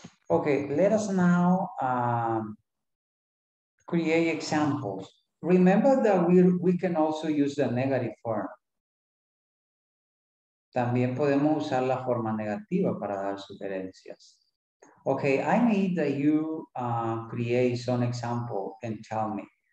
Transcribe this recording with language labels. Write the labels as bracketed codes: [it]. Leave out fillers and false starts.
[en] Okay, let us now create examples. Remember that we can also use the negative form. [es] También podemos usar la forma negativa para dar sugerencias. [en] Okay, I need that you create some example and tell me.